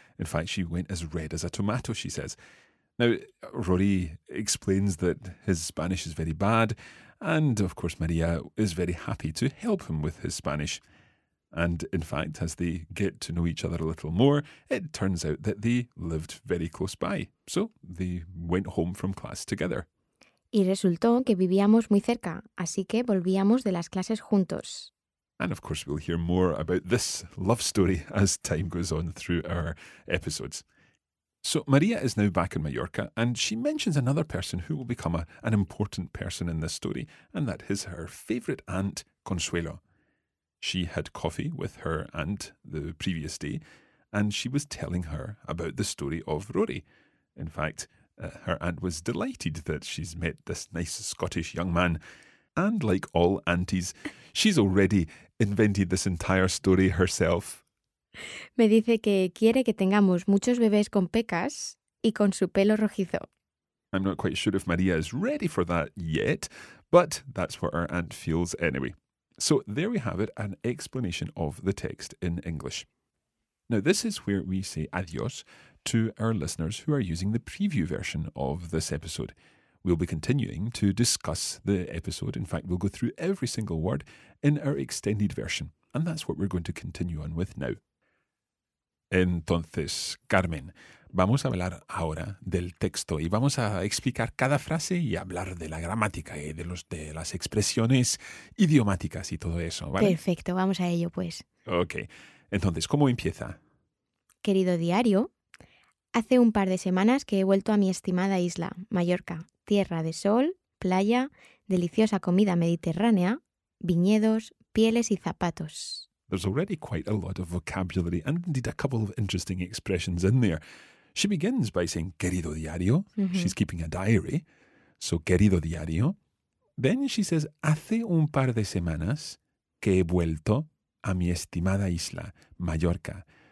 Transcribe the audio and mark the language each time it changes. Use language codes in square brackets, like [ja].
[en] In fact, she went as red as a tomato, she says. Now, Rory explains that his Spanish is very bad. And, of course, María is very happy to help him with his Spanish. And, in fact, as they get to know each other a little more, it turns out that they lived very close by. So they went home from class together. [es] Y resultó que vivíamos muy cerca, así que volvíamos de las clases juntos. [en] And of course we'll hear more about this love story as time goes on through our episodes. So María is now back in Mallorca and she mentions another person who will become an important person in this story, and that is her favourite aunt, Consuelo. She had coffee with her aunt the previous day and she was telling her about the story of Rory. In fact, her aunt was delighted that she's met this nice Scottish young man. And like all aunties, she's already invented this entire story herself. Me dice que quiere que tengamos muchos bebés con pecas y con su pelo rojizo. I'm not quite sure if María is ready for that yet, but that's what her aunt feels anyway. So there we have it, an explanation of the text in English. Now, this is where we say adios to our listeners who are using the preview version of this episode. We'll be continuing to discuss the episode. In fact, we'll go through every single word in our extended version. And that's what we're going to continue on with now. [es] Entonces, Carmen, vamos a hablar ahora del texto y vamos a explicar cada frase y hablar de la gramática y de las expresiones idiomáticas y todo eso, ¿vale? Perfecto, vamos a ello, pues. Ok. Entonces, ¿cómo empieza? Querido diario, hace un par de semanas que he vuelto a mi estimada isla, Mallorca, tierra de sol, playa, deliciosa comida mediterránea, viñedos, pieles y zapatos. [en] There's already quite a lot of vocabulary and indeed a couple of interesting expressions in there. She begins by saying, [es] querido diario. [en] Mm-hmm. She's keeping a diary. So, [es] querido diario. [en] Then she says, [es] hace un par de semanas que he vuelto a mi estimada isla, Mallorca.